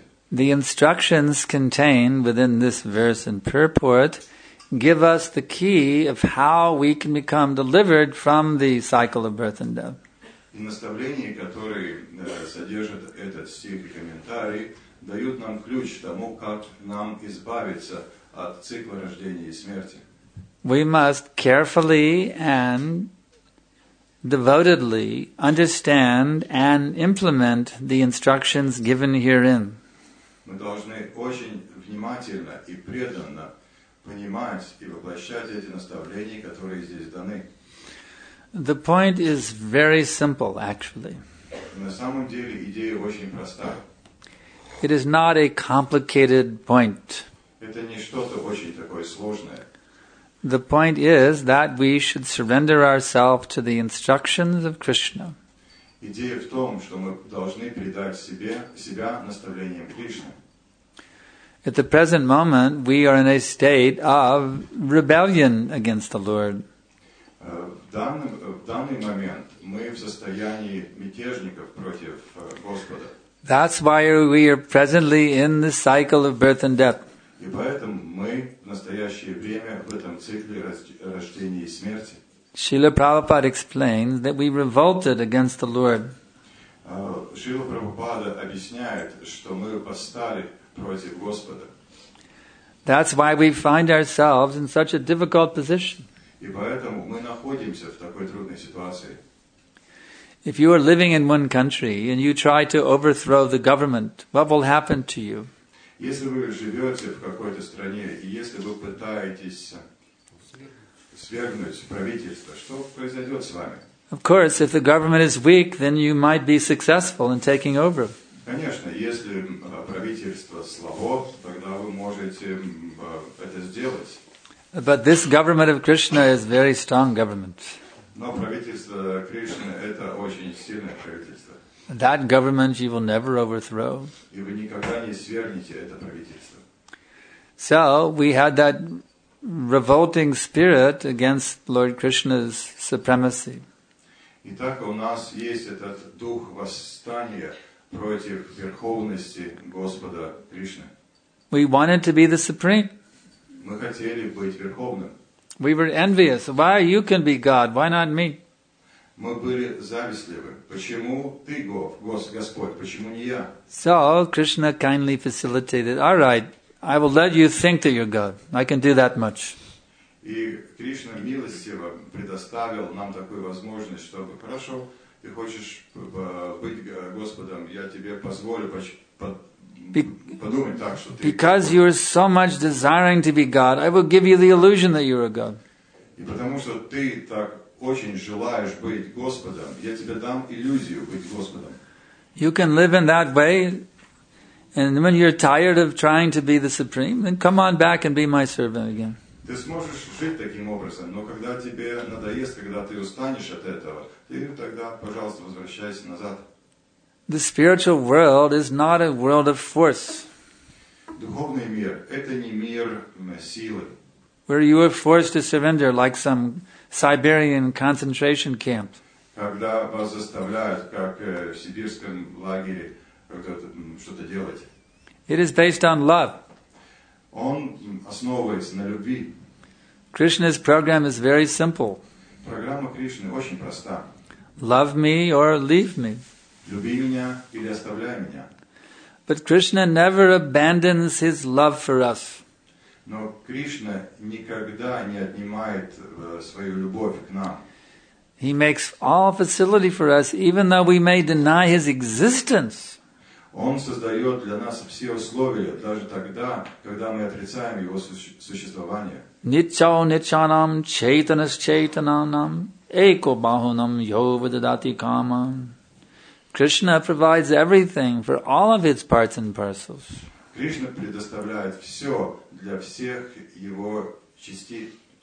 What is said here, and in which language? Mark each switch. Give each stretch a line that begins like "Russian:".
English: The instructions contained within this verse and purport give us the key of how we can become delivered from the cycle of birth and death.
Russian: И наставления, которые содержат этот стих и комментарий, дают нам ключ к тому, как нам избавиться от цикла рождения и смерти.
English: We must carefully and devotedly understand and implement the instructions given herein.
Russian: Мы должны очень внимательно и преданно понимать и воплощать эти наставления, которые здесь даны.
English: The point is very simple, actually.
Russian: На самом деле идея очень проста.
English: It is not a complicated point.
Russian: Это не что-то очень такое сложное.
English: The point is that we should surrender ourselves to the instructions of Krishna.
Russian: Идея в том, что мы должны предать себя наставлениям Кришны.
English: At the present moment, we are in a state of rebellion against the Lord.
Russian: В данный момент мы в состоянии мятежников против Господа.
English: That's why we are presently in the cycle of birth and death.
Russian: И поэтому мы в настоящее время в этом цикле рождения и смерти.
English: Srila Prabhupada explains that we revolted against the Lord.
Russian: Srila Prabhupada объясняет, что мы восстали против Господа.
English: That's why we find ourselves in such a difficult position.
Russian: И поэтому мы находимся в такой трудной ситуации.
English: If you are living in one country and you try to overthrow the government, what will happen to you?
Russian: Если вы живете в какой-то стране, и если вы пытаетесь свергнуть правительство, что произойдет с вами?
English: Of course, if the government is weak, then you might be successful in taking over.
Russian: Конечно, если правительство слабо, тогда вы можете это сделать.
English: But this government of Krishna is a very strong government.
Russian: Но правительство Кришны – это очень сильное правительство.
English: That government you will never overthrow.
Russian: И вы никогда не свергнете это правительство.
English: So, we had that revolting spirit against Lord Krishna's supremacy.
Russian: Итак, у нас есть этот дух восстания против верховности Господа Кришны.
English: We wanted to be the supreme.
Russian: Мы хотели быть верховным.
English: We were envious. Why you can be God? Why not me?
Russian: Мы были завистливы. Почему ты, Господь? Почему не я?
English: So Krishna kindly facilitated. All right, I will let you think that you're God. I can do that much.
Russian: И Кришна милостиво предоставил нам такую возможность, чтобы хорошо, ты хочешь быть Господом, я тебе позволю подумать так, что ты.
English: Because you are so much desiring to be God, I will give you the illusion that you are God.
Russian: И потому что ты так очень желаешь быть Господом, я тебе дам иллюзию быть Господом.
English: You can live in that way, and when you're tired of trying to be the supreme, then come on back and be my servant again.
Russian: Ты сможешь жить таким образом, но когда тебе надоест, когда ты устанешь от этого, ты тогда, пожалуйста, возвращайся назад.
English: The spiritual world is not a world of force.
Russian: Духовный мир – это не мир силы.
English: Where you are forced to surrender like some Siberian concentration camp.
Russian: Когда вас заставляют, как в сибирском лагере, что-то делать.
English: It is based on love.
Russian: Он основывается на любви.
English: Krishna's program is very simple.
Russian: Программа Кришны очень проста.
English: Love me or leave me.
Russian: Люби меня или оставляй меня.
English: But Krishna never abandons his love for us.
Russian: Но Кришна никогда не отнимает свою любовь к нам.
English: He makes all facility for us, even though we may deny his existence.
Russian: Он создает для нас все условия, даже тогда, когда мы отрицаем его существование.
Sanskrit: Ничо ничанам чайтанас чайтананам эко бахунам йо вададати кама.
English: Krishna provides everything for all of its parts and parcels.
Russian: Krishna предоставляет все для всех его частичек.